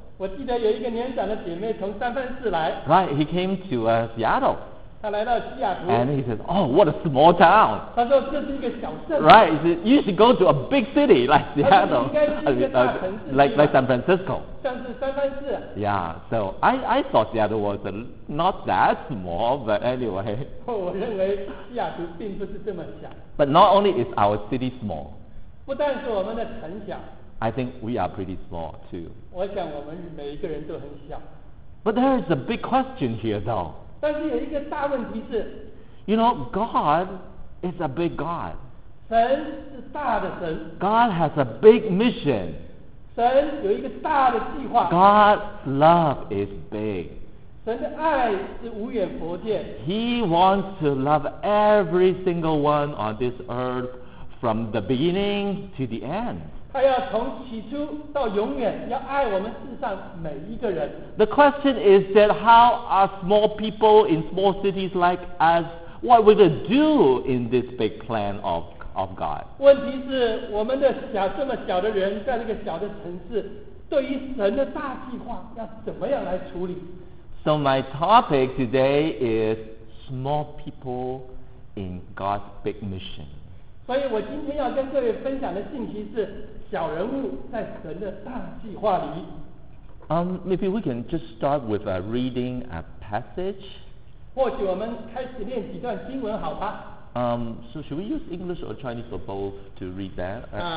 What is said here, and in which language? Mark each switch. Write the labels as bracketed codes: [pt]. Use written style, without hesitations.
[zh] 我记得有一个年长的姐妹从三藩市来。 [en] Right, he came to Seattle. [zh] 他来到西雅图。 [en] And he says, "Oh, what a small town." [zh] 他说这是一个小镇。 [en] Right, he said, "You should go to a big city like Seattle." [zh] 应该去一个大城市。 [en] Like San Francisco. [zh] 像是三藩市。 [en] Yeah, so I thought Seattle was not that small, but anyway. [zh] 我认为西雅图并不是这么小。 [en] But not only is our city small. [zh] 不但是我们的城小。 [en] I think we are pretty small too. [zh] 我想我们每一个人都很小。 [en] But there is a big question here, though. [zh] 但是有一个大问题是。 [en] You know, God is a big God. [zh] 神是大的神。 [en] God has a big mission. [zh] 神有一个大的计划。 [en] God's love is big. [zh] 神的爱是无远弗届。 [en] He wants to love every single one on this earth from the beginning to the end. [zh] 他要从起初到永远要爱我们世上每一个人。 [en] The question is that how are small people in small cities like us, what we're going to do in this big plan of God? [zh] 问题是我们的小这么小的人在这个小的城市对于神的大计划要怎么样来处理。 [en] So my topic today is small people in God's big mission. [zh] 所以我今天要跟各位分享的信息是小人物在神的大计划里。 [en] Maybe we can just start with reading a passage. [zh] 或许我们开始念几段经文好吧。 [en] So should we use English or Chinese or both to read that?